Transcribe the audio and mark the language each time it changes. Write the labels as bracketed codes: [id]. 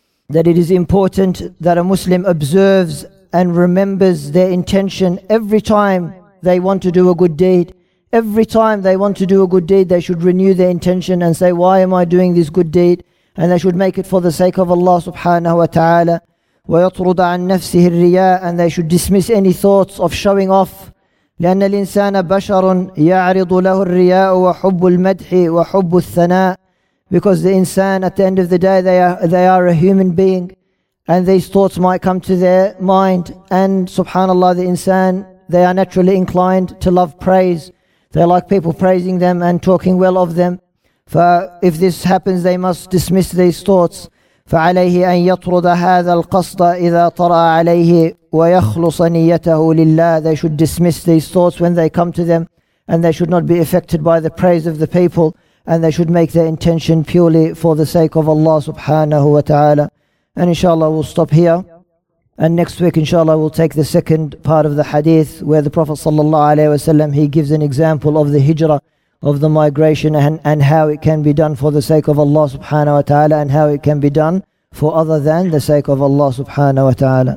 [en] That it is important that a Muslim observes and remembers their intention every time they want to do a good deed. Every time they want to do a good deed, they should renew their intention and say, why am I doing this good deed? And they should make it for the sake of Allah subhanahu wa ta'ala. [ar] وَيَطْرُدَ عَنْ نَفْسِهِ الرِّيَاءِ. [en] And they should dismiss any thoughts of showing off. [ar] لأن الإنسان بشر يعرض له الرياء وحب المدح وحب الثناء. [en] Because the insan, at the end of the day, they are a human being, and these thoughts might come to their mind. And subhanallah, the insan, they are naturally inclined to love praise. They like people praising them and talking well of them. For if this happens, they must dismiss these thoughts. [ar] فعليه أن يطرد هذا القصد إذا طرأ عليه ويخلص نيته لله. [en] They should dismiss these thoughts when they come to them, and they should not be affected by the praise of the people, and they should make their intention purely for the sake of Allah subhanahu wa ta'ala. And inshallah we'll stop here, and next week inshallah we'll take the second part of the hadith where the Prophet sallallahu alayhi wa sallam, he gives an example of the hijrah, of the migration, and how it can be done for the sake of Allah subhanahu wa ta'ala, and how it can be done for other than the sake of Allah subhanahu wa ta'ala.